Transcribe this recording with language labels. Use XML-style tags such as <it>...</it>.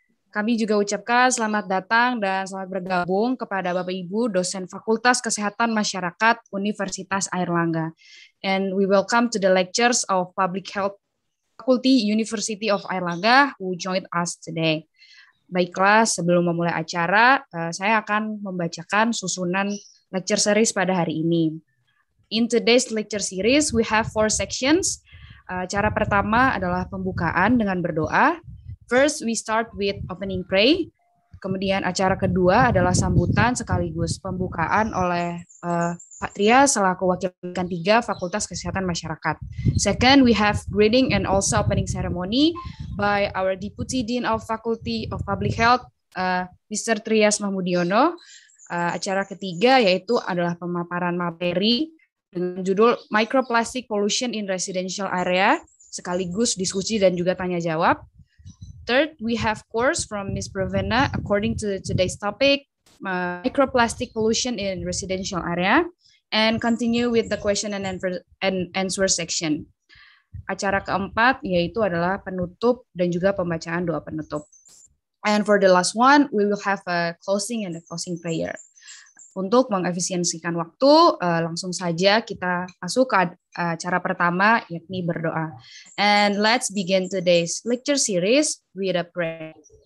<id>Kami juga ucapkan selamat datang dan selamat bergabung kepada Bapak-Ibu dosen Fakultas Kesehatan Masyarakat Universitas Airlangga.</id> <en>And we welcome to the lectures of Public Health Faculty University of Airlangga who joined us today.</en> <id>Baiklah, sebelum memulai acara, saya akan membacakan susunan lecture series pada hari ini.</id> <en>In today's lecture series, we have four sections.</en> <id>Cara pertama adalah pembukaan dengan berdoa.</id> <en>First, we start with opening prayer.</en> <id>Kemudian acara kedua adalah sambutan sekaligus pembukaan oleh Pak Tria selaku Wakil Dekan 3 Fakultas Kesehatan Masyarakat.</id> <en>Second, we have greeting and also opening ceremony by our Deputy Dean of Faculty of Public Health, Mr. Trias Mahmudiono.</en> <id>Acara ketiga yaitu adalah pemaparan materi dengan judul Microplastic Pollution in Residential Area, sekaligus diskusi dan juga tanya-jawab.</id> <en>Third, we have course from Ms. Pravena according to today's topic, microplastic pollution in residential area, and continue with the question and answer section.</en> <id>Acara keempat yaitu adalah penutup dan juga pembacaan doa penutup.</id> <en>And for the last one, we will have a closing and a closing prayer.</en> <id>Untuk mengefisiensikan waktu, langsung saja kita masuk ke cara pertama, yakni berdoa.</id> <en>And let's begin today's lecture series with a prayer.</en>